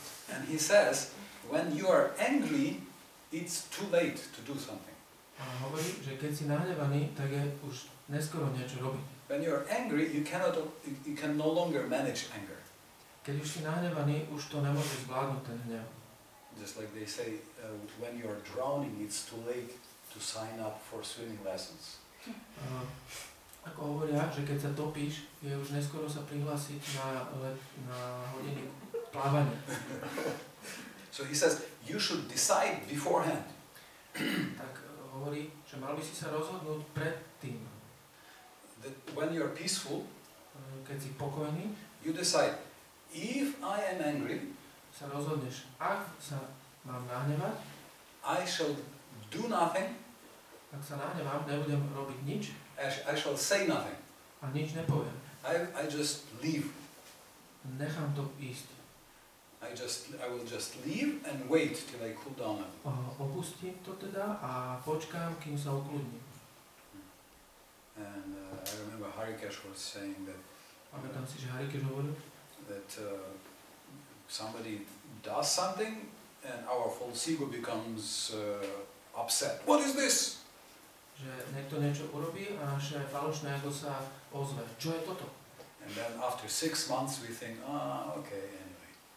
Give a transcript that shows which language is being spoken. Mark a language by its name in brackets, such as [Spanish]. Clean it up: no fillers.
[English] And he says when you are angry it's too late to do something. [Slovak] A hovorí, že keď si nahnevaný, tak je už neskoro niečo robiť. [English] When you are angry you can no longer manage anger. [Slovak] Keď už si nahnevaný, už to nemôžeš zvládnuť ten hnev. [English] Just like they say when you are drowning it's too late to sign up for swimming lessons. [Slovak] Ako hovoria, že keď sa topíš, je už neskoro sa prihlásiť na hodiny plávania. [English] So he says, you should decide beforehand. [Slovak] Tak hovorí, že mal by si sa rozhodnúť predtým. [English] That when you are peaceful, [Slovak] keď si pokojný, [English] you decide, if I am angry, [Slovak] sa rozhodneš, ak sa mám nahnevať, [English] I shall do nothing. [Slovak] Tak sa nahnevám, nebudem robiť nič. [English] I shall say nothing. [Slovak] A nič nepoviem. [English] I just leave. [Slovak] Nechám to ísť. [English] I will just leave and wait till I cool down. [Slovak] Opustím to teda a počkám, kým sa ukludním. [English] And I remember Hare Krishna was saying that. [Slovak] Pamätám si, že Hare Krishna hovoril. [English] That somebody does something and our false ego becomes upset. What is this? [Slovak] Že niekto niečo urobí a naše falošné ego sa ozve. Čo je toto? [English] And then after 6 months we think, okay, anyway.